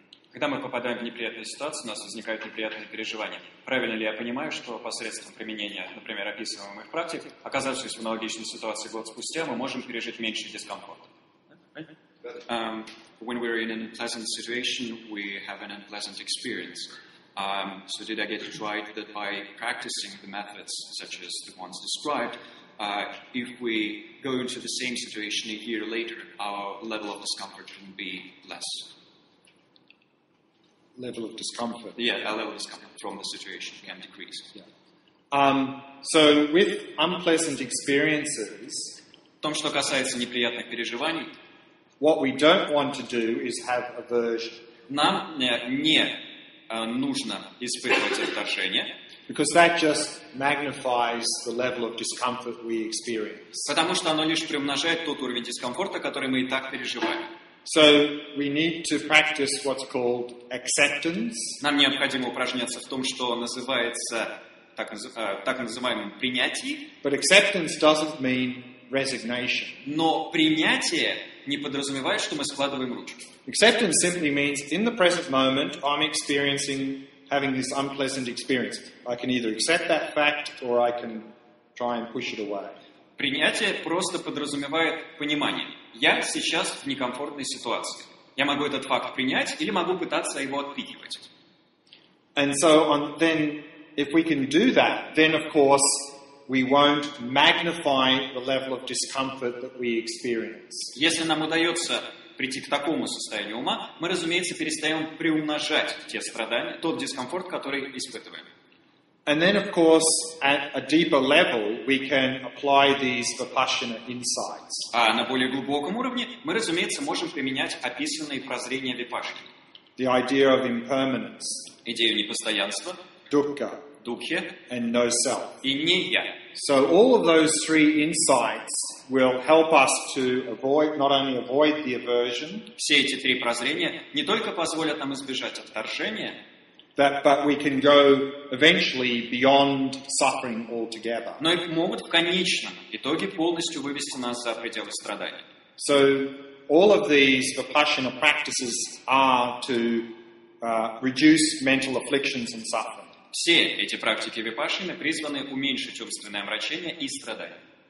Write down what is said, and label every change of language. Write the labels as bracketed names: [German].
[Russian] Когда мы попадаем в неприятную ситуацию, у нас возникают неприятные переживания. Правильно ли я понимаю, что посредством применения, например, описываемых практик, оказавшись в аналогичной ситуации год спустя, мы можем пережить меньший дискомфорт? [English] When we're in an unpleasant situation, we have an unpleasant experience. So did I get it right that by practicing the methods, such as the ones described, if we go into the same situation a year later, our level of discomfort can be less? Level of discomfort. Yeah, a level of discomfort from the situation can decrease. Yeah. So with unpleasant experiences, [Russian] в том, что касается неприятных переживаний, [English] what we don't want to do is have aversion. [Russian] Нам не нужно испытывать отторжение. [English] Because that just magnifies the level of discomfort we experience. [Russian] Потому что оно лишь приумножает тот уровень дискомфорта, который мы и так переживаем. [English] So we need to practice what's called acceptance. [Russian] Нам необходимо упражняться в том, что называется так называемым принятием. [English] But acceptance doesn't mean resignation. [Russian] Но принятие не подразумевает, что мы складываем ручки. [English] Acceptance simply means in the present moment I'm experiencing having this unpleasant experience. I can either accept that fact or I can try and push it away. [Russian] Принятие просто подразумевает понимание. Я сейчас в некомфортной ситуации. Я могу этот факт принять или могу пытаться его отпихивать. Если нам удается прийти к такому состоянию ума, мы, разумеется, перестаем приумножать те страдания, тот дискомфорт, который испытываем. [English] And then, of course, at a deeper level, we can apply these vipassana insights. [Russian] А на более глубоком уровне мы, разумеется, можем применять описанные прозрения випашаны. [English] The idea of impermanence. [Russian] Идею непостоянства. [English] Dukkha. [Russian] Dukkha. [English] And no self. [Russian] И не я. [English] So all of those three insights will help us to avoid, not only avoid the aversion. [Russian] Все эти три прозрения не только позволят нам избежать отторжения. [English] But we can go eventually beyond suffering altogether. [Russian] Но их могут в конечном итоге полностью вывести нас за пределы страданий. [English] So all of these vipassana practices are to reduce mental afflictions and suffering. [Russian] Все эти практики випашаны призваны уменьшить умственное омрачение и страдания.